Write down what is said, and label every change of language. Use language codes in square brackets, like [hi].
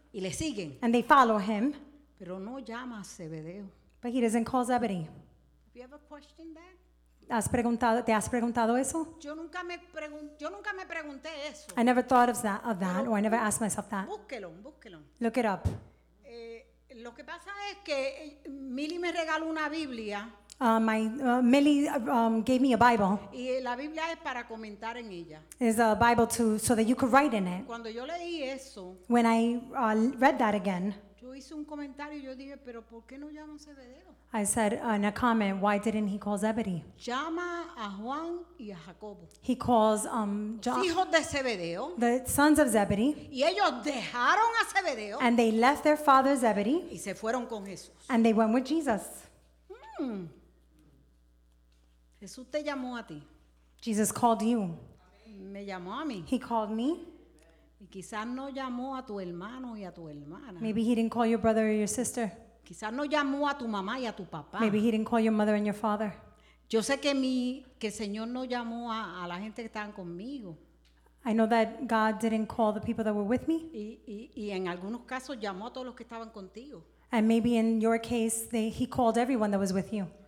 [es] Y le siguen. [en] And they follow him. [es] Pero no llama a Zebedeo. [en] But he doesn't call Zebedee. Have you ever questioned that? [es] ¿Te has preguntado eso? Yo nunca me pregunté eso. [en] I never thought of that, or I never asked myself that. [es] Búsquelo. [en] Look it up. [es] Lo que pasa es que Millie me regaló una Biblia. [en] Millie gave me a Bible. [es] Y la Biblia es para comentar en ella. [en] It's a Bible to so that you could write in it. [es] Cuando yo leí eso. [en] When I read that again. [es] Yo hice un comentario y yo dije, pero ¿por qué no llama a Zebedeo? [en] I said in a comment, why didn't he call Zebedee? [es] Llama a Juan y a Jacobo. [en] He calls [es] hijos de Zebedeo, [en] the sons of Zebedee. [es] Y ellos dejaron a Zebedeo, [en] and they left their father Zebedee. [es] Y se fueron con Jesús. [en] And they went with Jesus. [es] Jesús te llamó a ti. [en] Jesus called you. [es] Me llamó a mí. [en] He called me. [es] Y quizás no llamó a tu hermano y a tu hermana. [en] Maybe he didn't call your brother or your sister. [es] Quizás no llamó a tu mamá y a tu papá. [en] Maybe he didn't call your mother and your father. [es] Yo sé que el Señor no llamó a la gente que estaban conmigo. [en] I know that God didn't call the people that were with me. [es] Y en algunos casos llamó a todos los que estaban contigo. [en] And maybe in your case, he called everyone that was with you.